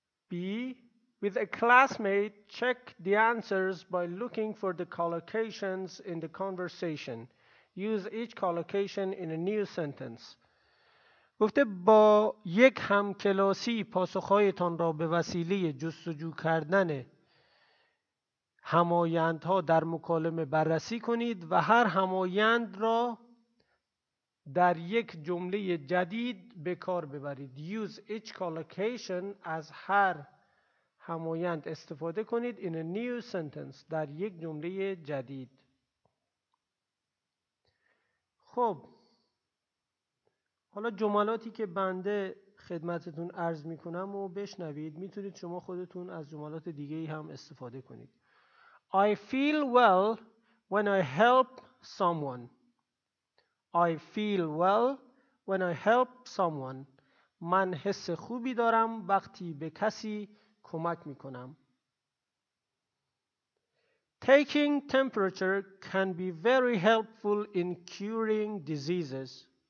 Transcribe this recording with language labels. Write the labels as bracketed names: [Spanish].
[English] B, with a classmate, check the answers by looking for the collocations in the conversation. Use each collocation in a new sentence. [Persian] گفته با یک همکلاسی پاسخهایتان را به وسیله جستجو کردن همایندها در مکالمه بررسی کنید و هر همایند را در یک جمله جدید به کار ببرید. [English] Use each collocation، [Persian] از هر همایند استفاده کنید. [English] In a new sentence، [Persian] در یک جمله جدید. خب، حالا جملاتی که بنده خدمتتون عرض می کنم و بشنوید، می تونید شما خودتون از جملات دیگه‌ای هم استفاده کنید. [English] I feel well when I help someone. I feel well when I help someone. [Persian] من حس خوبی دارم وقتی به کسی کمک می کنم. [English] Taking temperature can be very helpful in curing diseases.